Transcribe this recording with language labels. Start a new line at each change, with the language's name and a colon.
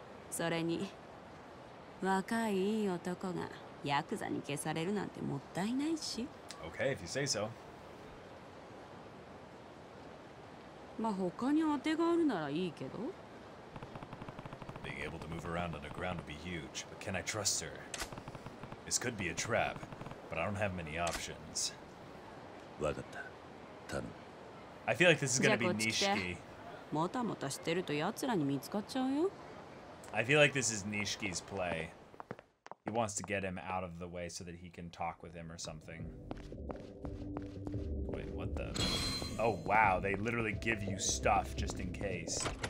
Japanese: それに若い男がヤクザに消されるなんてもったいないし。Okay,
English: if you say so.
Japanese: まあ他に当てがあるならいいけど。
English: Being able to move around underground would be huge, but can I trust her? This could be a trap, but I don't have many options.
Japanese: わかった。頼む。
English: I feel like this is going to be Nishiki.
Japanese: もたもたしてると奴らに見つかっちゃうよ。
English: I feel like this is Nishiki's play. He wants to get him out of the way so that he can talk with him or something. Wait, what the? Oh, wow. They literally give you stuff just in case.